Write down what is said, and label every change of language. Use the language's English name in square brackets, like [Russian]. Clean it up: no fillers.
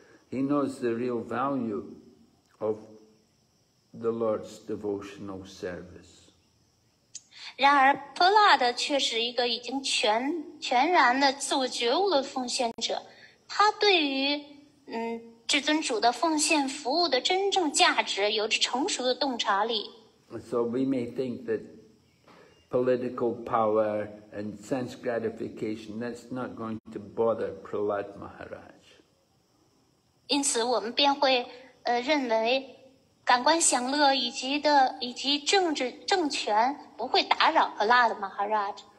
[English] He knows the real value of the Lord's devotional service. [Chinese] 然而，Prahlad却是一个已经全然的自我觉悟的奉献者，他对于至尊主的奉献服务的真正价值有着成熟的洞察力。 [English] So we may think that political power and sense gratification, that's not going to bother Prahlad Maharaj. [Chinese] 因此，我们便会认为。感官享乐以及政治政权不会打扰Prahlad Maharaj。